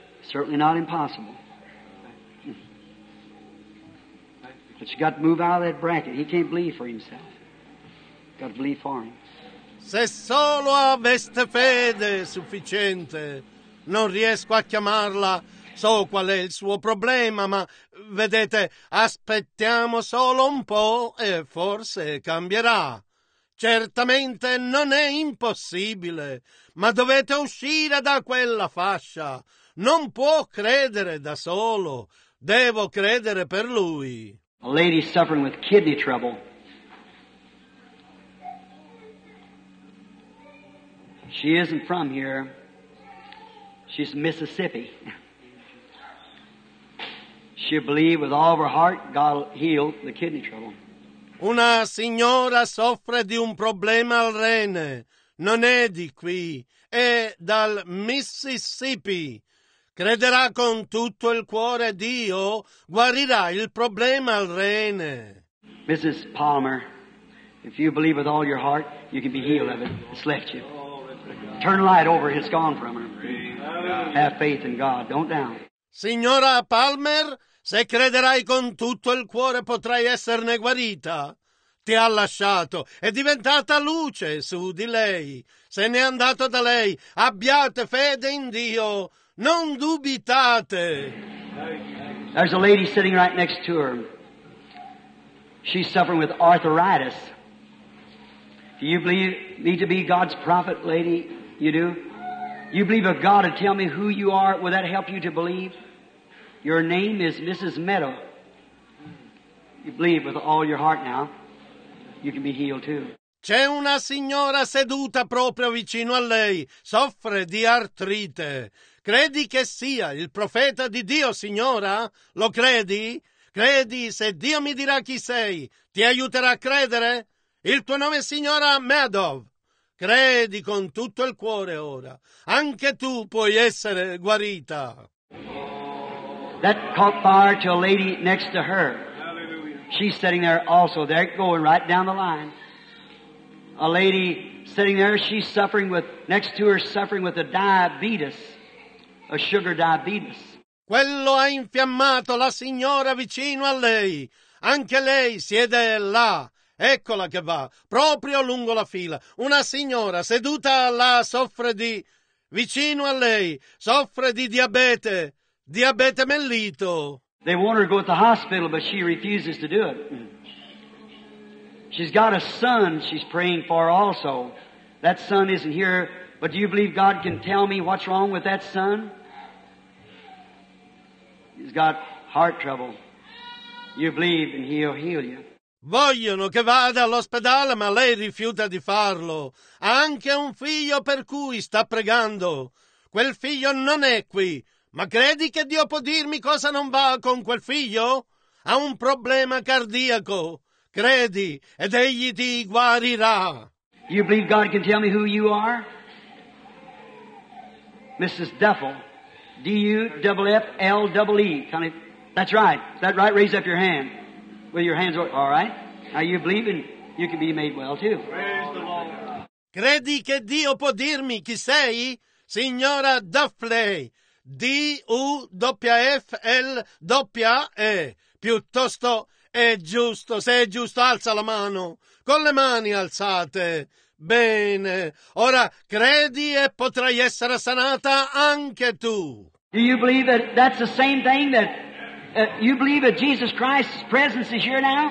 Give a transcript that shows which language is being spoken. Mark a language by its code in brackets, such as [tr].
[en] Certainly not impossible. But you got to move out of that bracket. He can't believe for himself. Got to believe for him. [it] Se solo aveste fede sufficiente, non riesco a chiamarla. So qual è il suo problema, ma vedete, aspettiamo solo un po' e forse cambierà. Certamente non è impossibile, ma dovete uscire da quella fascia. Non può credere da solo, devo credere per lui. [en] A lady suffering with kidney trouble. She isn't from here. She's Mississippi. She believed with all of her heart God healed the kidney trouble. [it] Una signora soffre di un problema al rene. Non è di qui, è dal Mississippi. Crederà con tutto il cuore Dio, guarirà il problema al rene. [en] Mrs. Palmer, if you believe with all your heart, you can be healed of it. It's left you. Turn light over, it's gone from her. Have faith in God, don't doubt. [it] Signora Palmer, se crederai con tutto il cuore potrai esserne guarita. Ti ha lasciato, è diventata luce su di lei. Se n'è andato da lei, abbiate fede in Dio. Non dubitate. [en] There's a lady sitting right next to her. She's suffering with arthritis. Do you believe me to be God's prophet, lady? You do? You believe of God to tell me who you are? Will that help you to believe? Your name is Mrs. Meadow. You believe with all your heart now. You can be healed too. [it] C'è una signora seduta proprio vicino a lei. Soffre di artrite. Credi che sia il profeta di Dio, signora? Lo credi? Credi se Dio mi dirà chi sei, ti aiuterà a credere? Il tuo nome, signora Meadow. Credi con tutto il cuore ora. Anche tu puoi essere guarita. [en] That caught fire to a lady next to her. She's sitting there also. They're going right down the line. A lady sitting there, she's suffering with, next to her, suffering with a diabetes. A sugar diabetes. [it] Quello ha infiammato la signora vicino a lei. Anche lei siede là. Eccola che va, proprio lungo la fila. Una signora seduta là soffre di... vicino a lei, soffre di diabete. Diabete mellito. [en] They want her to go to the hospital, but she refuses to do it. She's got a son she's praying for also. That son isn't here, but do you believe God can tell me what's wrong with that son? He's got heart trouble. You believe and he'll heal you. [it] Vogliono che vada all'ospedale, ma lei rifiuta di farlo. Ha anche un figlio per cui sta pregando. Quel figlio non è qui. Ma credi che Dio può dirmi cosa non va con quel figlio? Ha un problema cardiaco. Credi, ed egli ti guarirà. [en] You believe God can tell me who you are? Mrs. Duffel. D-U-F-F-L-E-E. Kind of, that's right. Is that right? Raise up your hand. With your hands all right. Now you believe and you can be made well too. Praise the Lord. [it] Credi che Dio può dirmi chi sei? Signora Duffley. D-U-F-F-L-E. Piuttosto è giusto. Se è giusto, alza la mano. Con le mani alzate. Bene. Ora credi e potrai essere sanata anche tu. [en] Do you believe that that's the same thing that you believe that Jesus Christ's presence is here now?